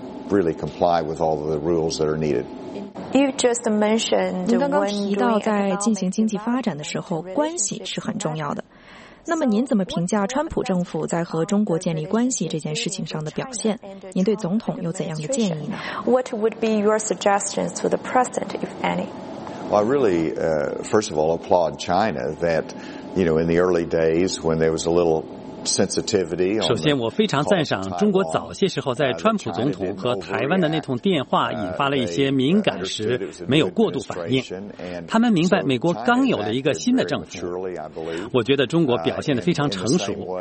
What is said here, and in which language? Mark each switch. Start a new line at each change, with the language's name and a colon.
English: Really comply with all the rules that are needed. You just mentioned.
Chinese: 您刚刚提到，在进行经济发展的时候，关系是很重要的。那么，您怎么评价川普政府在和中国建立关系这件事情上的表现？您对总统有怎样的建议呢
English: ？What would be your suggestions to the president, if any? Well, I really, first of all, applaud China that, you know, in the early days when there was a little.
Chinese: 首先，我非常赞赏中国早些时候在川普总统和台湾的那通电话引发了一些敏感时没有过度反应。他们明白美国刚有了一个新的政府。我觉得中国表现得非常成熟。